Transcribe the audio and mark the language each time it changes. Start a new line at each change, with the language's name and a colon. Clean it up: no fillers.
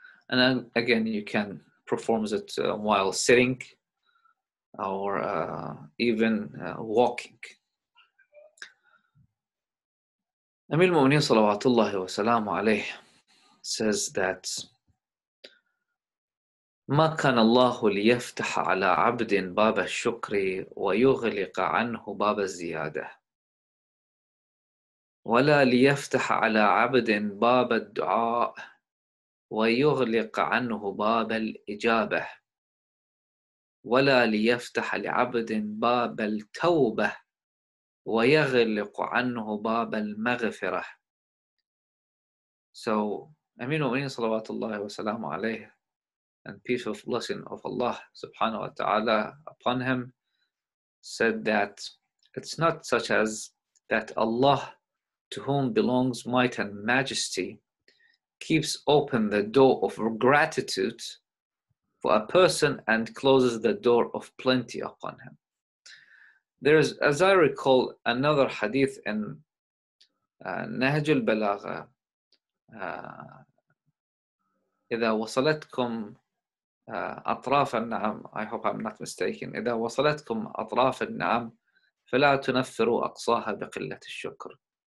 English: And then again, you can perform it while sitting or even walking.
Arabic: Amir al-Mu'mineen Salawatullahi wa Salamu Alayhi
English: says that
Arabic: ما كان الله ليفتح على عبد باب الشكر ويغلق عنه باب الزيادة ولا ليفتح على عبد باب الدعاء ويغلق عنه باب الإجابة ولا ليفتح لعبد باب التوبة ويغلق عنه باب المغفرة.
English: So
Arabic: أمين أمين صلوات الله وسلامه عليه
English: and peace of blessing of Allah subhanahu wa ta'ala upon him, said that it's not such as that Allah, to whom belongs might and majesty, keeps open the door of gratitude for a person and closes the door of plenty upon him. There is, as I recall, another hadith in Nahj al-Balagha,
Arabic: إذا وصلتكم أطراف النعم,
English: I hope I'm not mistaken.
Arabic: إذا وصلتكم أطراف النعم فلا تنفروا أقصاها بقلة الشكر.